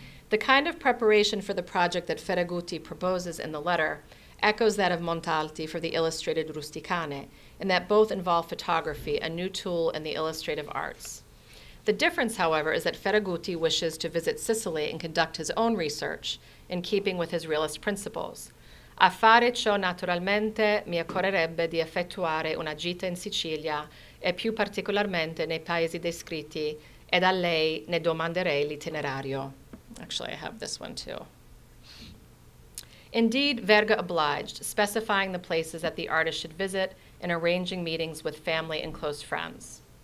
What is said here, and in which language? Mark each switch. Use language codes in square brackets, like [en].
[en] The kind of preparation for the project that Ferraguti proposes in the letter echoes that of Montalti for the illustrated Rusticane, and that both involve photography, a new tool in the illustrative arts. The difference, however, is that Ferraguti wishes to visit Sicily and conduct his own research in keeping with his realist principles. [it] A fare ciò naturalmente mi occorrerebbe di effettuare una gita in Sicilia e più particolarmente nei paesi descritti ed a lei ne domanderei l'itinerario. [en] Actually, I have this one too. Indeed, Verga obliged, specifying the places that the artist should visit and arranging meetings with family and close friends.